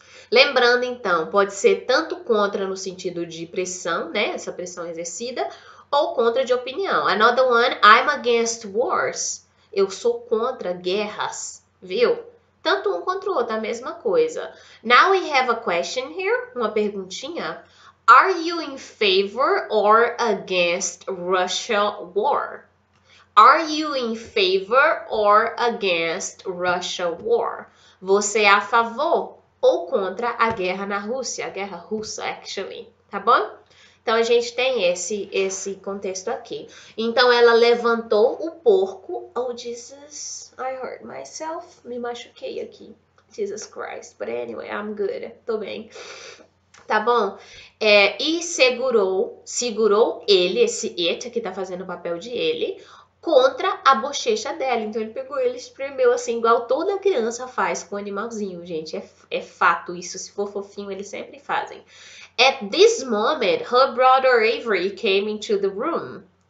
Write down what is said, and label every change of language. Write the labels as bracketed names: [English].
[Portuguese] Lembrando, então, pode ser tanto contra no sentido de pressão, né? Essa pressão exercida, ou contra de opinião. [English] Another one, I'm against wars. [Portuguese] Eu sou contra guerras, viu? Tanto um contra o outro, a mesma coisa. [English] Now we have a question here, [Portuguese] uma perguntinha. [English] Are you in favor or against Russia war? Are you in favor or against Russia war? [Portuguese] Você é a favor ou contra a guerra na Rússia, a guerra russa, actually, tá bom? Então a gente tem esse contexto aqui. Então ela levantou o porco. [English] Oh, Jesus, I hurt myself. [Portuguese] Me machuquei aqui. [English] Jesus Christ. But anyway, I'm good. [Portuguese] Tô bem. Tá bom? É, e segurou ele, esse it que tá fazendo o papel de ele, contra a bochecha dela. Então ele pegou ele e espremeu assim, igual toda criança faz com o animalzinho, gente. É fato isso. Se for fofinho, eles sempre fazem. [English] At this moment, her brother Avery came into the room.